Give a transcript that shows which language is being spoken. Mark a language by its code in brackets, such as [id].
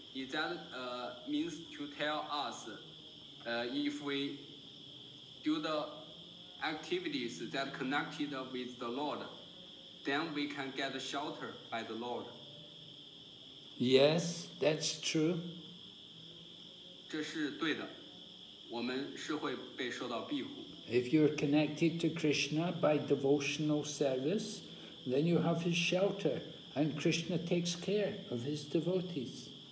[en] Is that means to tell us if we do the activities that connected with the Lord, then we can get shelter by the Lord. Yes, that's true. [zh] 这是对的, 我们是会被受到庇护。 [en] If you're connected to Krishna by devotional service, then you have his shelter, and Krishna takes care of his devotees.